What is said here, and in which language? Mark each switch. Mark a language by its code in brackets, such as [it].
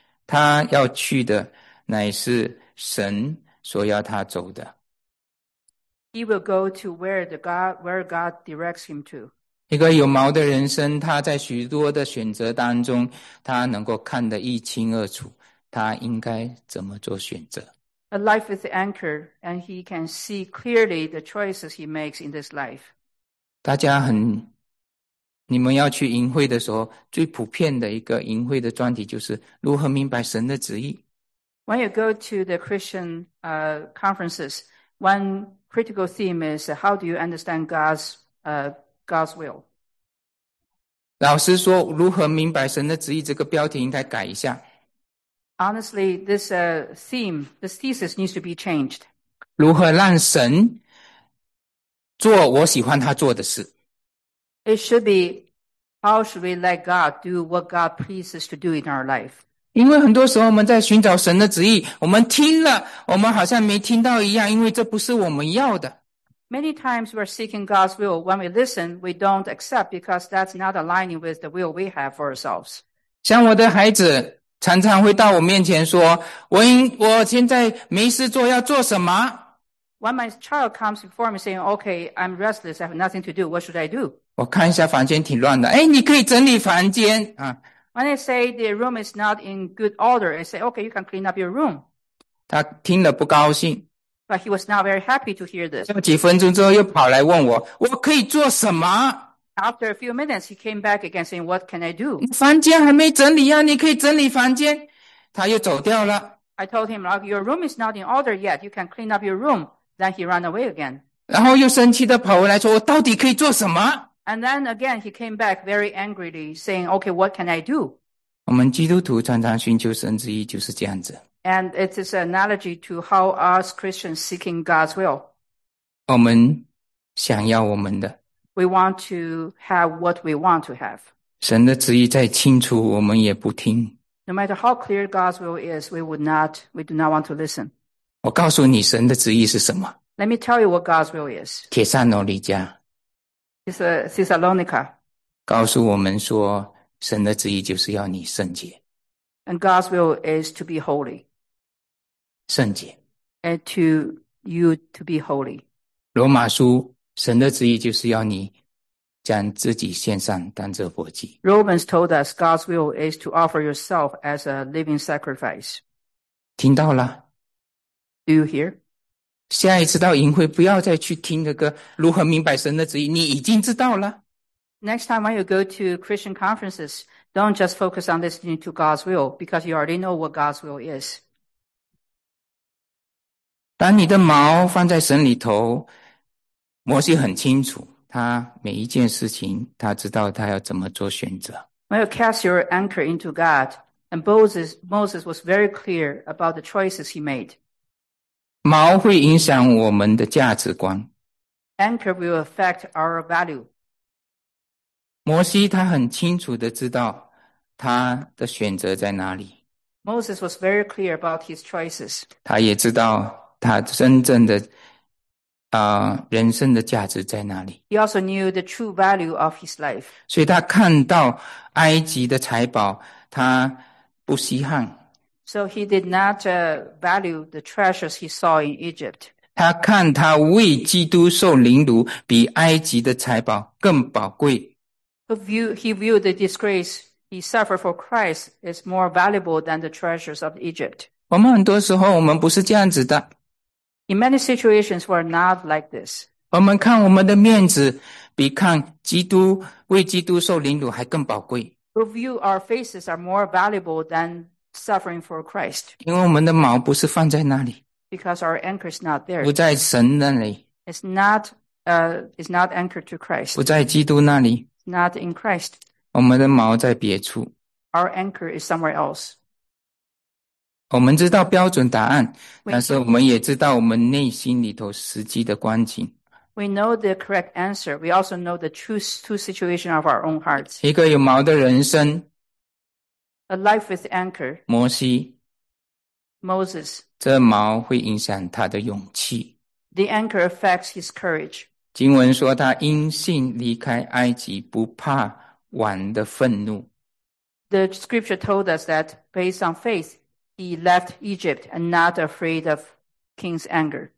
[zh] 他要去的乃是神所要他走的。 [en] He will go to where God directs him to. [zh] 一个有锚的人生，他在许多的选择当中，他能够看得一清二楚，他应该怎么做选择。 [en] A life is anchored, and he can see clearly the choices he makes in this life. [zh] 大家很，你们要去营会的时候，最普遍的一个营会的专题就是如何明白神的旨意。 [en] When you go to the Christian conferences, one critical theme is how do you understand God's will. [zh] 老师说如何明白神的旨意这个标题应该改一下。 [en] Honestly, this theme, this thesis needs to be changed. [zh] 如何让神做我喜欢他做的事。 [en] It should be, how should we let God do what God pleases to do in our life? [zh] 因为很多时候我们在寻找神的旨意，我们听了，我们好像没听到一样，因为这不是我们要的。 [en] Many times we're seeking God's will. When we listen, we don't accept because that's not aligning with the will we have for ourselves. [zh] 像我的孩子常常会到我面前说，我现在没事做，要做什么？ [en] When my child comes before me saying, okay, I'm restless, I have nothing to do, what should I do? [zh] 我看一下房间挺乱的，哎，你可以整理房间啊。 [en] When I say the room is not in good order, I say, okay, you can clean up your room. [zh] 他听了不高兴。 [en] But he was not very happy to hear this. [zh] 几分钟之后又跑来问我，我可以做什么？ [en] After a few minutes, he came back again saying, what can I do? [zh] 房间还没整理啊，你可以整理房间。他又走掉了。 [en] I told him, like, your room is not in order yet. You can clean up your room. Then he ran away again. [zh] 然后又生气地跑回来说，我到底可以做什么？ [en] And then again, he came back very angrily saying, okay, what can I do? [zh] 我们基督徒常常寻求神旨意就是这样子。 [en] And it is an analogy to how us Christians seeking God's will. [zh] 我们想要我们的。 [en] We want to have what we want to have. [zh] 神的旨意再清楚，我们也不听。 [en] No matter how clear God's will is, we do not want to listen. [zh] 我告诉你神的旨意是什么。 [en] Let me tell you what God's will is. [zh] 帖撒罗尼迦。 [en] Thessalonica. [zh] 告诉我们说神的旨意就是要你圣洁。 [en] And God's will is to be holy. [zh] 圣洁。 [en] And to you to be holy. [zh] 罗马书神的旨意就是要你将自己献上当作活祭。 [en] Romans told us God's will is to offer yourself as a living sacrifice. [zh] 听到了。 [en] Do you hear? [zh] 下一次到营会不要再去听那个如何明白神的旨意，你已经知道了。 [en] Next time when you go to Christian conferences, don't just focus on listening to God's will, because you already know what God's will is. [zh] 当你的锚放在神里头，摩西很清楚，他每一件事情，他知道他要怎么做选择。 [en] When you cast your anchor into God, and Moses was very clear about the choices he made. [zh] 锚会影响我们的价值观。 [en] Anchor will affect our value. [zh] 摩西他很清楚地知道他的选择在哪里。 [en] Moses was very clear about his choices. [zh] 他也知道他真正的人生的价值在哪里。 [en] He also knew the true value of his life. [zh] 所以他看到埃及的财宝他不稀罕。 [en] So he did not value the treasures he saw in Egypt. [zh] 他看他为基督受凌辱比埃及的财宝更宝贵。 [en] He viewed the disgrace he suffered for Christ as more valuable than the treasures of Egypt. [zh] 我们很多时候我们不是这样子的。 [en] In many situations we are not like this. [zh] 我们看我们的面子比看基督为基督受凌辱还更宝贵。 [en] We view our faces are more valuable thanSuffering for Christ. [zh] 因为我们的锚不是放在那里。 [en] Because our anchor is not there. [zh] 不在神那里。 [en] It's not anchored to Christ. [zh] 不在基督那里。 [en] Not in Christ. [zh] 我们的锚在别处。 [en] Our anchor is somewhere else. [zh] 我们知道标准答案，但是我们也知道我们内心里头实际的光景。 [en] We know the correct answer. We also know the true situation of our own hearts. [zh] 一个有锚的人生。 [en] A life with anchor. [zh] 摩西。 [en] Moses. [zh] 这锚会影响他的勇气。 [en] The anchor affects his courage. [zh] 经文说他因信离开埃及不怕王的愤怒。 [en] The scripture told us that based on faith, he left Egypt and not afraid of king's anger.